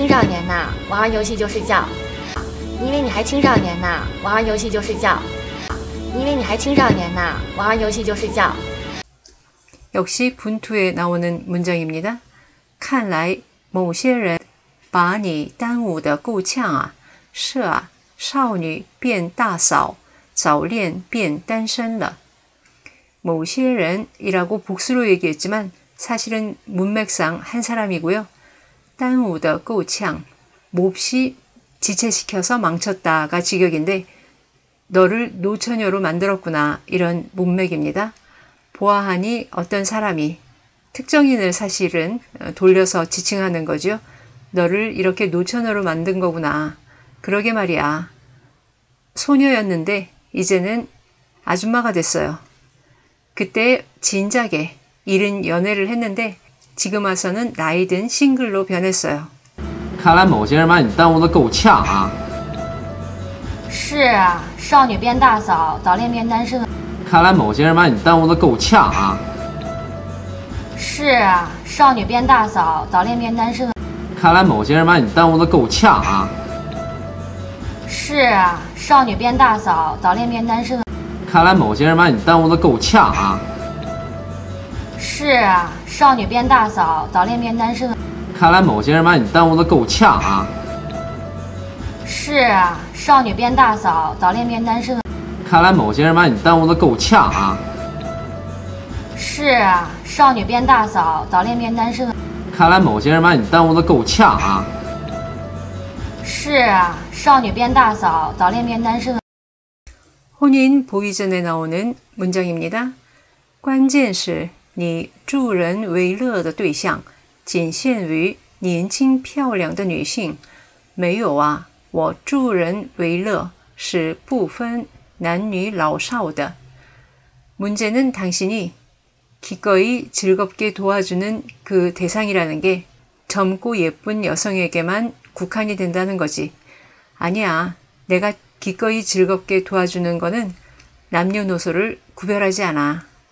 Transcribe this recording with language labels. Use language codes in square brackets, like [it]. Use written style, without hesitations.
[zh] 因为你还青少年呢，玩玩游戏就睡觉。因为你还青少年呢，玩玩游戏就睡觉。 [ko] 역시 분투에 나오는 문장입니다. [zh] 看来某些人把你耽误得够呛啊，是啊，少女变大嫂，早恋变单身了。 [ko] 某些人이라고 복수로 얘기했지만 사실은 문맥상 한 사람이고요. 耽误得够呛，몹시 지체시켜서 망쳤다가 직역인데, 너를 노처녀로 만들었구나, 이런 문맥입니다. 보아하니 어떤 사람이, 특정인을 사실은 돌려서 지칭하는 거죠. 너를 이렇게 노처녀로 만든 거구나. 그러게 말이야. 소녀였는데, 이제는 아줌마가 됐어요. 그때 진작에 이른 연애를 했는데, 지금 와서는 나이 든 싱글로 변했어요. [zh] 看来某些人把你耽误得够呛啊！是啊，少女变大嫂，早恋变单身。看来某些人把你耽误得够呛啊！是啊，少女变大嫂，早恋变单身。看来某些人把你耽误得够呛啊！是啊，少女变大嫂，早恋变单身。看来某些人把你耽误得够呛啊！是啊，少女变大嫂，早恋变单身。看来某些人把你耽误得够呛啊！是啊，少女变大嫂，早恋变单身。看来某些人把你耽误得够呛啊！是啊，少女变大嫂，早恋变单身。看来某些人把你耽误得够呛啊！是啊，少女变大嫂，早恋变单身。 [ko] 혼인 보기 전에 나오는 문장입니다. [zh] 关键是你助人为乐的对象仅限于年轻漂亮的女性，没有啊，我助人为乐是不分男女老少的。 [ko] 문제는 당신이 기꺼이 즐겁게 도와주는 그 대상이라는 게 젊고 예쁜 여성에게만 국한이 된다는 거지. 아니야, 내가 기꺼이 즐겁게 도와주는 거는 남녀노소를 구별하지 않아.